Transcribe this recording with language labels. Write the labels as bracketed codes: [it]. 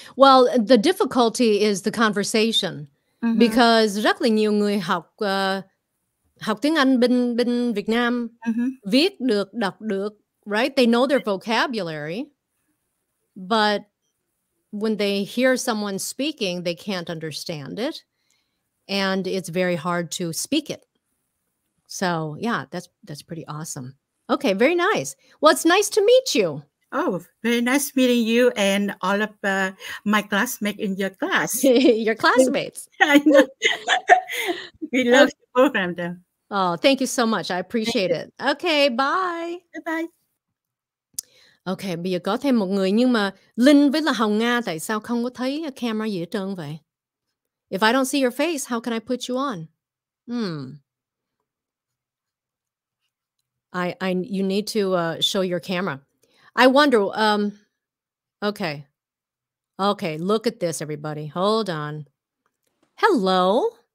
[en] Well, the difficulty is the conversation mm-hmm. [vi] because rất là nhiều người học tiếng Anh bên Việt Nam mm-hmm. viết được, đọc được, right? [en] They know their vocabulary, but when they hear someone speaking, they can't understand it. And it's very hard to speak it. So yeah, that's pretty awesome. Okay, very nice. Well, it's nice to meet you. Oh, very nice meeting you and all of my classmates in your class. Your classmates. I know. We love the program, though. Oh, thank you so much. I appreciate it. Okay, bye. Bye-bye. [vi] Okay, bây giờ có thêm một người. Nhưng mà Linh với là Hồng Nga, tại sao không có thấy camera gì hết trơn vậy? [en] If I don't see your face, how can I put you on? I you need to show your camera. I wonder, okay, look at this, everybody. Hold on. Hello.